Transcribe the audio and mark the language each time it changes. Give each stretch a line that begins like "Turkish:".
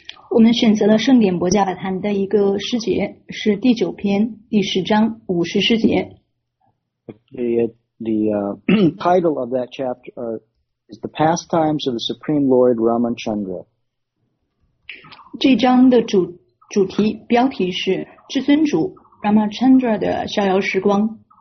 Chinese: 我们选择了圣典薄伽伐坛的一个诗节，是第九篇第十章五十诗节。
English: The title of that chapter is The Pastimes of the Supreme Lord Ramachandra.
Chinese: 这章的主题标题是至尊主 Ramachandra 的逍遥时光。